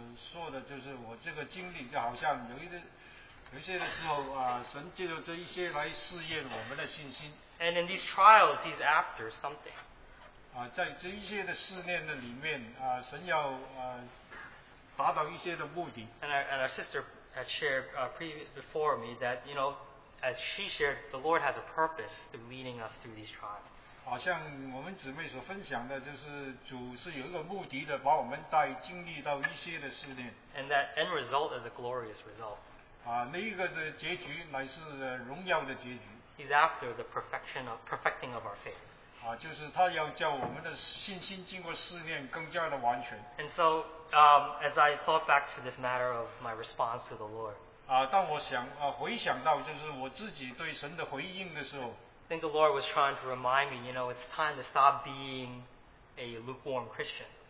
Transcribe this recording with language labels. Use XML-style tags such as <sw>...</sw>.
<zh>神对我们，对我说的就是我这个经历，就好像有一些。 有些的时候，神借着这一些来试验我们的信心。</zh> <en>And in these trials, he's after something.</en> <zh>在这一些的试炼的里面，神要达到一些的目的。</zh> <en>And our sister had shared before me that, you know, as she shared, the Lord has a purpose in leading us through these trials.</en> <zh>好像我们姊妹所分享的，就是主是有一个目的的，把我们带经历到一些的试炼。</zh> <en>And that end result is a glorious result.</en> <zh>那一个的结局乃是荣耀的结局。</zh> <en>He's after the perfection of perfecting of our faith.</en> <zh>就是他要叫我们的信心经过试炼更加的完全。</zh> <en>And so, as I thought back to this matter of my response to the Lord.</en> <zh>当我想回想到就是我自己对神的回应的时候。</zh> <en>I think the Lord was trying to remind me, you know, it's time to stop being a lukewarm Christian.</en>